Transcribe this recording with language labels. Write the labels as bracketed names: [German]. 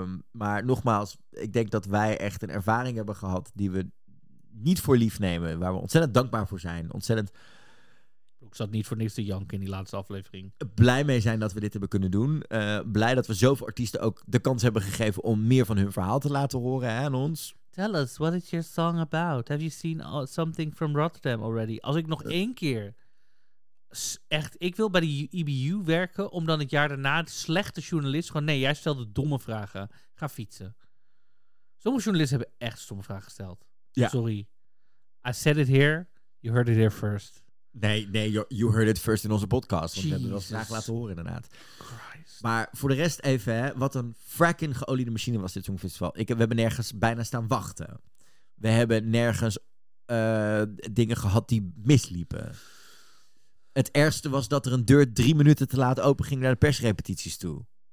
[Dutch] Maar nogmaals, ik denk dat wij echt een ervaring hebben gehad... die we niet voor lief nemen. Waar we ontzettend dankbaar voor zijn. Ontzettend... Ik zat niet voor niks te janken in die laatste aflevering. Blij mee zijn dat we dit hebben kunnen doen. Blij dat we zoveel artiesten ook de kans hebben gegeven... om meer van hun verhaal te laten horen aan ons. [English] Tell us, what is your song about? Have you seen something from Rotterdam already? [Dutch] Als ik nog één keer... Echt, ik wil bij de IBU werken... om dan het jaar daarna de slechte journalist... gewoon, nee, jij stelde domme vragen. Ga fietsen. Sommige journalisten hebben echt stomme vragen gesteld. Ja. Sorry. [English] I said it here. You heard it here first. [Dutch] Nee, [English] you heard it first in [Dutch] onze podcast. Want Jesus. We hebben dat graag laten horen, inderdaad. [English] Christ. [Dutch] Maar voor de rest even, hè, wat een fracking geoliede machine was dit Songfestival. We hebben nergens bijna staan wachten. We hebben nergens dingen gehad die misliepen. Het ergste was dat er een deur 3 minuten te laat open ging naar de persrepetities toe.